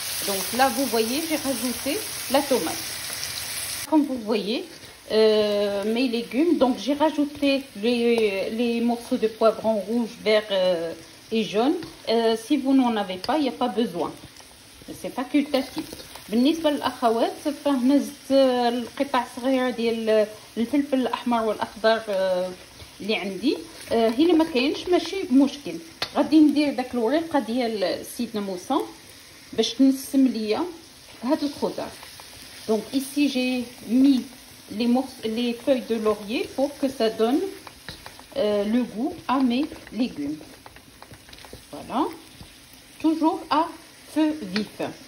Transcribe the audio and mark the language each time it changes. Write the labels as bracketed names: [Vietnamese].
[French] Donc là vous voyez, j'ai rajouté la tomate comme vous voyez, mes légumes. Donc j'ai rajouté les morceaux de poivrons rouges, verts et jaunes. Si vous n'en avez pas, il n'y a pas besoin, c'est facultatif. [Arabic] بالنسبه للاخوات فهنا زدت القطع صغيره ديال الفلفل الاحمر والاخضر اللي عندي. هي اللي ما كاينش، ماشي مشكل. غادي ندير داك الورقه ديال سيدنا موسى باش تنسم ليا هاد الخضر. [French] دونك ici j'ai mis les feuilles de laurier pour que ça donne le goût à mes légumes. Voilà. Toujours à feu vif.